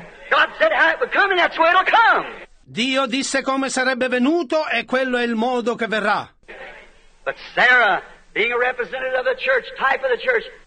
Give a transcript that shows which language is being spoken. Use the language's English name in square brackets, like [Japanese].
[English] God said how it would come and that's where it'll come. [Italian] Dio disse come sarebbe venuto e quello è il modo che verrà. [English] But Sarah, being a representative of the church, type of the church.